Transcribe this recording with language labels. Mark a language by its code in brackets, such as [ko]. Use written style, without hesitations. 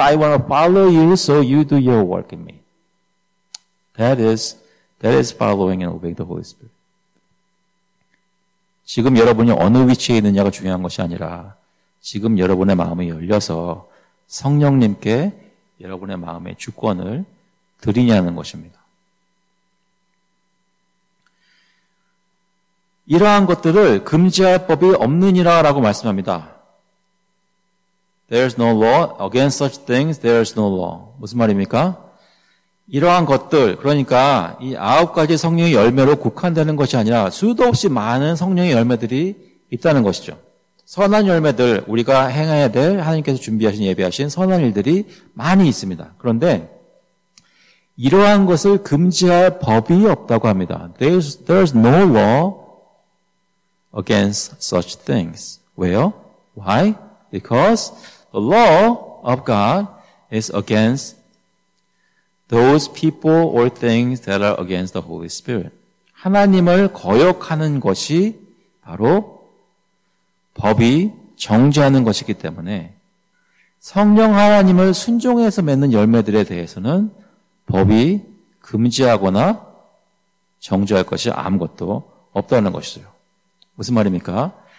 [en] I want to follow you, so you do your work in me. That is following and obeying the Holy Spirit. [ko] 지금 여러분이 어느 위치에 있느냐가 중요한 것이 아니라 지금 여러분의 마음이 열려서 성령님께 여러분의 마음의 주권을 드리냐는 것입니다. 이러한 것들을 금지할 법이 없느니라라고 말씀합니다. [en] There is no law against such things. There is no law. [ko] 무슨 말입니까? 이러한 것들, 그러니까 이 아홉 가지 성령의 열매로 국한되는 것이 아니라 수도 없이 많은 성령의 열매들이 있다는 것이죠. 선한 열매들, 우리가 행해야 될 하나님께서 준비하신, 예비하신 선한 일들이 많이 있습니다. 그런데 이러한 것을 금지할 법이 없다고 합니다. [en] There is no law against such things. Where? Why? Because the law of God is against those people or things that are against the Holy Spirit. [ko] 하나님을 거역하는 것이 바로 법이 정죄하는 것이기 때문에 성령 하나님을 순종해서 맺는 열매들에 대해서는 법이 금지하거나 정죄할 것이 아무것도 없다는 것이죠. 무슨 말입니까?